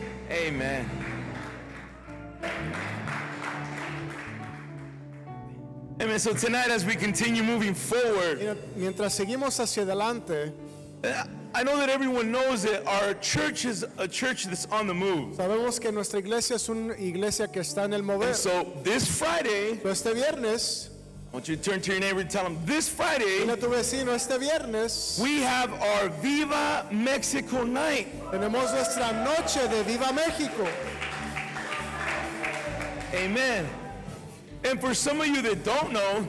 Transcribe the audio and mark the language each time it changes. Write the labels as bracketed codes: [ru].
[en] Amen. Amen. So tonight, as we continue moving forward, [es] mientras seguimos hacia adelante, [en] I know that everyone knows that our church is a church that's on the move. [es] Sabemos que nuestra iglesia es una iglesia que está en el mover. [en] And so this Friday, [es] este viernes, [en] want you to turn to your neighbor and tell him this Friday. [es] Dile a tu vecino este viernes. [en] We have our Viva Mexico night. [es] Tenemos nuestra noche de Viva México. [en] Amen. And for some of you that don't know,